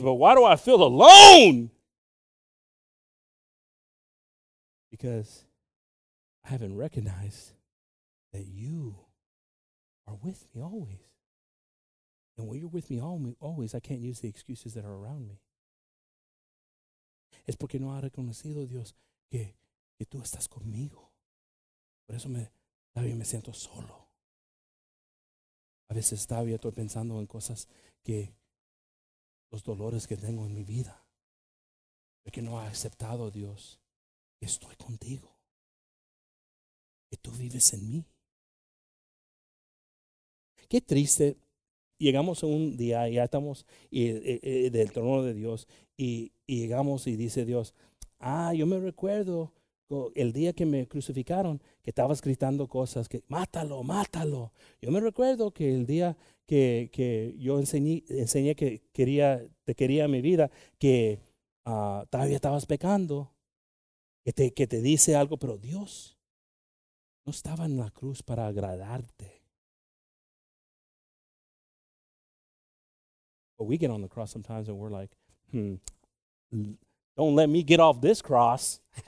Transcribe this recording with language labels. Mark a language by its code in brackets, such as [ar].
[en] But why do I feel alone? Because I haven't recognized that you are with me always. And when you're with me always, I can't use the excuses that are around me. [es] Es porque no ha reconocido Dios que tú estás conmigo. Por eso todavía me siento solo. A veces todavía estoy pensando en cosas que los dolores que tengo en mi vida. Porque no ha aceptado Dios que estoy contigo. Que tú vives en mí. Qué triste. Llegamos un día y ya estamos del trono de Dios y llegamos y dice Dios, yo me recuerdo el día que me crucificaron, que estabas gritando cosas, que mátalo, mátalo. Yo me recuerdo que el día que yo enseñé que quería, te quería mi vida, que todavía estabas pecando, que te dice algo, pero Dios no estaba en la cruz para agradarte. [en] But we get on the cross sometimes and we're like, don't let me get off this cross.